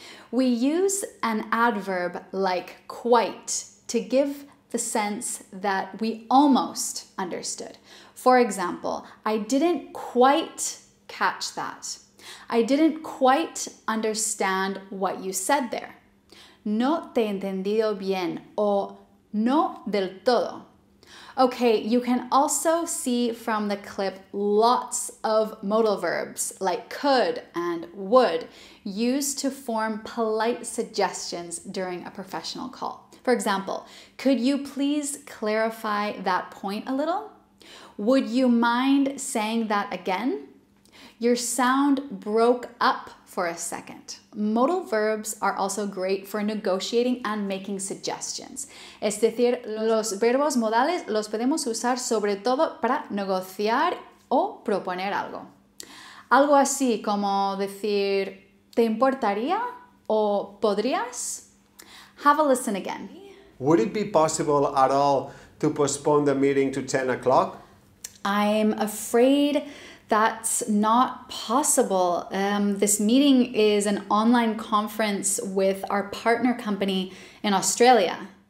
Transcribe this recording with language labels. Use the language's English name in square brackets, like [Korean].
[English] We use an adverb like quite to give the sense that we almost understood. For example, I didn't quite catch that. I didn't quite understand what you said there. [Spanish] No te he entendido bien o no del todo. [English] Okay, you can also see from the clip lots of modal verbs like could and would used to form polite suggestions during a professional call. For example, could you please clarify that point a little? Would you mind saying that again? Your sound broke up for a second. Modal verbs are also great for negotiating and making suggestions. [Spanish] Es decir, los verbos modales los podemos usar sobre todo para negociar o proponer algo. Algo así como decir, ¿te importaría o podrías? [English] Have a listen again. Would it be possible at all to postpone the meeting to 10 o'clock? I'm afraid that's not possible. This meeting is an online conference with our partner company in Australia.